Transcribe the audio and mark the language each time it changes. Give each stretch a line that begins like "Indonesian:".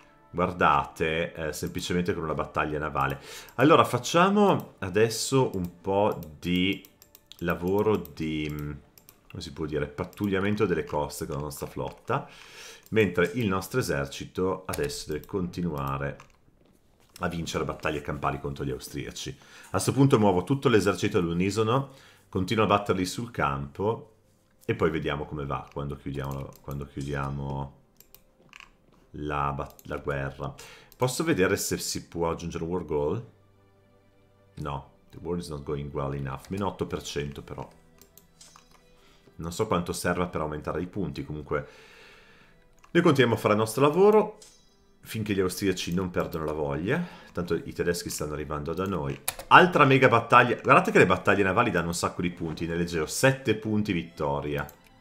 Italian: Guardate, semplicemente con una battaglia navale. Allora, facciamo adesso un po' di lavoro di, come si può dire, pattugliamento delle coste con la nostra flotta, mentre il nostro esercito adesso deve continuare a vincere battaglie campali contro gli austriaci. A questo punto muovo tutto l'esercito all'unisono, continuo a batterli sul campo. E poi vediamo come va quando chiudiamo la guerra. Posso vedere se si può aggiungere un war goal?
English: No, the war is not going well enough.
Italian: Meno 8% però. Non so quanto serva per aumentare i punti. Comunque, noi continuiamo a fare il nostro lavoro finché gli austriaci non perdono la voglia. Tanto i tedeschi stanno arrivando da noi. Altra mega battaglia. Guardate che le battaglie navali danno un sacco di punti. Nell'Egeo 7 punti vittoria.